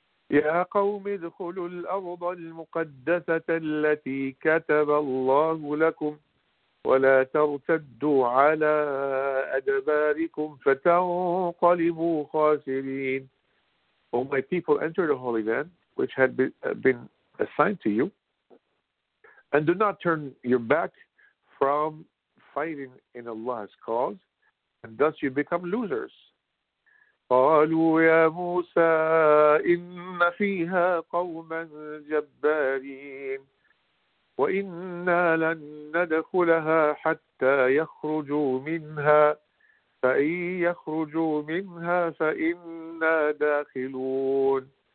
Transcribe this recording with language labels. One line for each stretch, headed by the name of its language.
Arabic: يا قوم ادخلوا الأرض المقدسة التي كتب الله لكم ولا ترتدوا على أدباركم فتنقلبوا خاسرين.
English: O my people, enter the Holy Land which had been assigned to you, and do not turn your back from fighting in Allah's cause, and thus you become losers.
Arabic: قالوا يا موسى إن فيها قوما جبارين وإنا لن ندخلها حتى يخرجوا منها فإن يخرجوا منها فإنا داخلون.